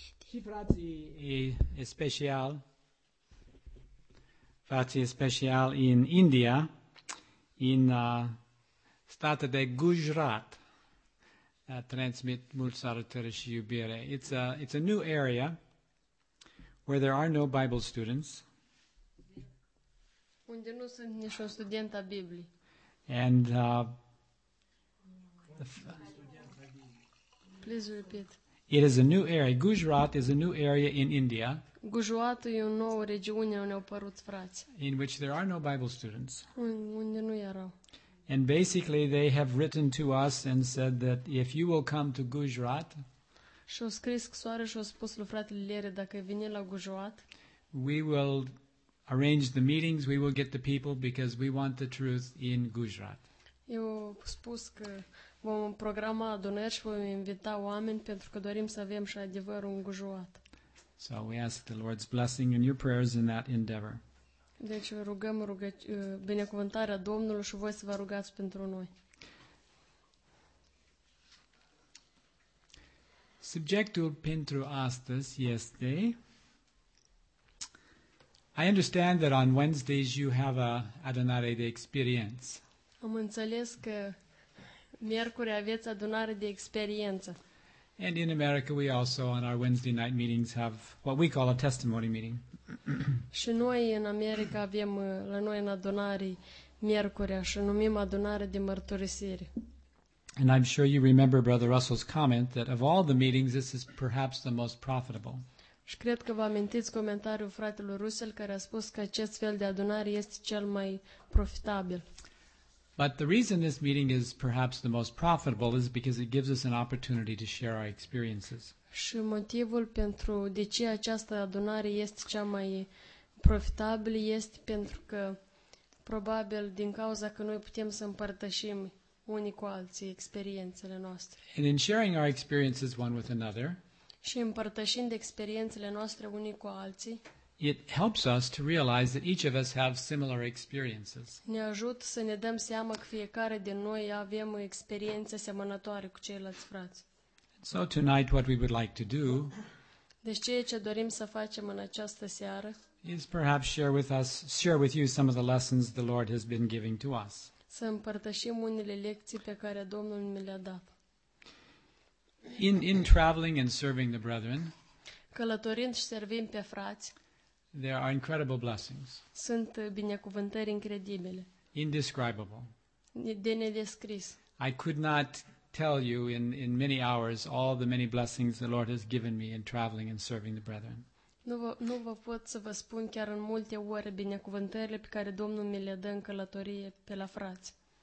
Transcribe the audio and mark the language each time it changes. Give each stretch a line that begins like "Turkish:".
Romanian: Și frații special, frații special în India, în state de Gujarat, transmit mult sărătări și iubire.
English: It's a new area where there are no Bible students.
Romanian: Unde nu sunt nici o studentă a Bibliei.
English: And please repeat. It is a new area. Gujarat is a new area in India.
Romanian: Gujarat e o nouă regiune unde au apărut frați.
English: In which there are no Bible students.
Romanian: Unde nu erau.
English: And basically they have written to us and said that if you will come to Gujarat.
Romanian: Și au scris scrisoare și au spus lui fratele Lere dacă vine la Gujarat.
English: We will arrange the meetings, we will get the people because we want the truth in Gujarat.
Romanian: Eu spus că vom programa adunări și vom invita oameni pentru că dorim să avem și adevărul în Gujarat.
English: So we ask the Lord's blessing and your prayers in that endeavor.
Romanian: Deci rugăm binecuvântarea Domnului și voi să vă rugați pentru noi. Subiectul pentru astăzi este,
English: I understand that on Wednesdays you have a
Romanian: adunare de experiență. Am înțeles că miercuri aveți adunare de experiență.
English: And in America we also on our Wednesday night meetings have what we call a testimony meeting.
Romanian: Și noi în America avem la noi în adunare miercuri și numim adunare de mărturisire.
English: And I'm sure you remember Brother Russell's comment that of all the meetings this is perhaps the most profitable.
Romanian: Și cred că vă amintiți comentariul fratelui Russell care a spus că acest fel de adunare este cel mai profitabil.
English: But the reason this meeting is perhaps the most profitable is because it gives us an opportunity to share our experiences.
Romanian: Și motivul pentru de ce această adunare este cea mai profitabilă este pentru că probabil din cauza că noi putem să împărtășim unii cu alții experiențele noastre.
English: And in sharing our experiences one with another,
Romanian: și împărtășind experiențele noastre unii cu alții,
English: it helps us to realize that each of us have similar experiences.
Romanian: Ne ajută să ne dăm seama că fiecare din noi avem o experiență asemănătoare cu ceilalți frați.
English: So tonight what we would like to do,
Romanian: deci ceea ce dorim să facem în această seară,
English: is perhaps share with you some of the lessons the Lord has been giving to us.
Romanian: Să împărtășim unele lecții pe care Domnul mi le-a dat.
English: In traveling and serving the brethren,
Romanian: călătorind și servind pe frați,
English: there are incredible blessings.
Romanian: Sunt binecuvântări incredibile.
English: Indescribable.
Romanian: De nedescris.
English: I could not tell you in many hours all the many blessings the Lord has given me in traveling and serving the brethren.
Romanian: Nu vă pot să vă spun chiar în multe ore binecuvântările pe care Domnul mi le dă în călătorie pe la frați.